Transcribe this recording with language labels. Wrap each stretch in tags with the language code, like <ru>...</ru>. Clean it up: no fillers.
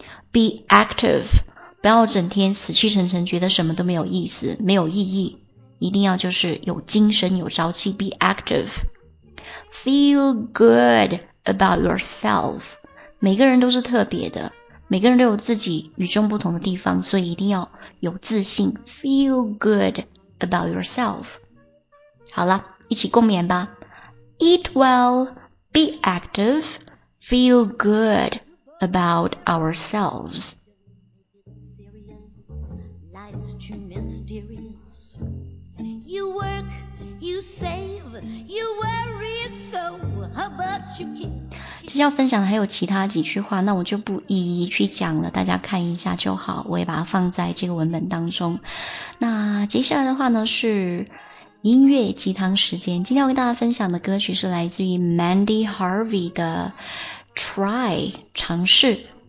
<en>be active</en> <zh>不要整天死气沉沉，觉得什么都没有意思，没有意义，一定要就是有精神有朝气。</zh> <en>be active feel good about yourself，</en> <zh>每个人都是特别的，每个人都有自己与众不同的地方，所以一定要有自信 ，</zh> <en>feel good about yourself。</en> <zh>好了，一起共勉吧 ，</zh> <en>eat well, be active, feel good about ourselves。 You work, you save, you worry so, but you can't.</en> <zh>其实要分享的还有其他几句话，那我就不一一去讲了，大家看一下就好，我也把它放在这个文本当中。那接下来的话呢是音乐鸡汤时间，今天要跟大家分享的歌曲是来自于 Mandy Harvey 的 Try 尝试。</zh>